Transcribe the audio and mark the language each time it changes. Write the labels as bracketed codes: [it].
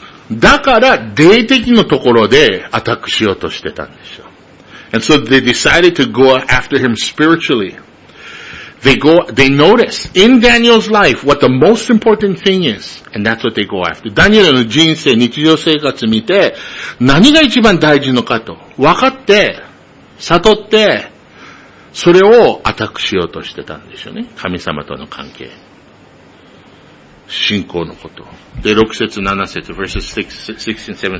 [ja] だから、霊的のところでアタックしようとしてたんでしょう。 [en] And so they decided to go after him spiritually. They notice in Daniel's life what the most important thing is. And that's what they go after. [ja] ダニエルの人生、日常生活見て、何が一番大事のかと、分かって、悟って、それをアタックしようとしてたんでしょうね。神様との関係。信仰のこと。で、6節7節 [en] verses 6 and 7。